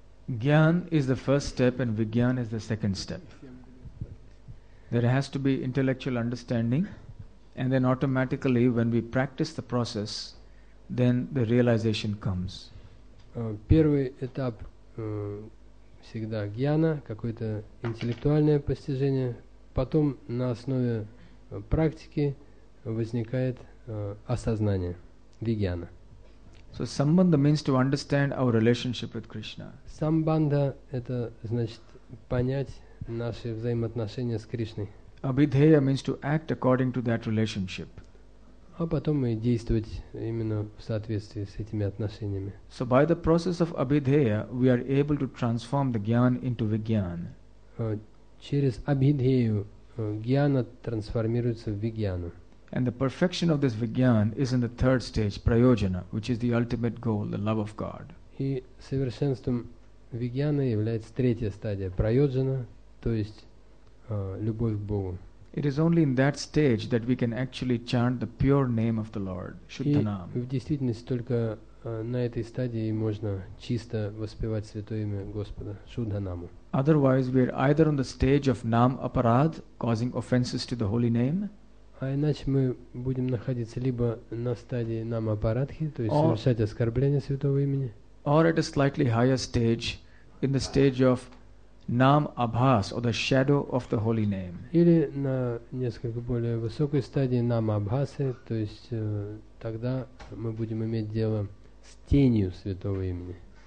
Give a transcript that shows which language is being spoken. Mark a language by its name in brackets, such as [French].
[English] Gyan is the first step and Vigyan is the second step. There has to be intellectual understanding, and then automatically when we practice the process, then the realization comes. [Russian] Первый этап всегда гьяна, какое-то интеллектуальное постижение. Потом на основе практики возникает осознание, вигьяна. [English] So sambandha means to understand our relationship with Krishna. [Russian] Sambandha – это значит понять наши взаимоотношения с Кришной. [English] Abhidheya means to act according to that relationship. [Russian] А потом и действовать именно в соответствии с этими отношениями. [English] So by the process of abhidheya, we are able to transform the gyan into vigyan. [Russian] Через abhidheyu гьяна трансформируется в вигьяну. [English] And the perfection of this vigyan is in the third stage, prayojana, which is the ultimate goal, the love of God. [Russian] И совершенством вигьяна является третья стадия, прайоджана, то есть любовь к Богу. [English] It is only in that stage that we can actually chant the pure name of the Lord, Шутханам. [Russian] И в действительности только на этой стадии можно чисто воспевать святое имя Господа, Шутханаму. [English] Otherwise, we are either on the stage of nam aparad, causing offenses to the holy name. [Russian] А иначе мы будем находиться либо на стадии нама-апарадхи, то есть совершать оскорбление святого имени. [English] Or at a slightly higher stage, in the stage of nama-abhas, or the shadow of the holy name. [Russian] Или на несколько более высокой стадии нама-абхасы, то есть тогда мы будем иметь дело с тенью святого имени.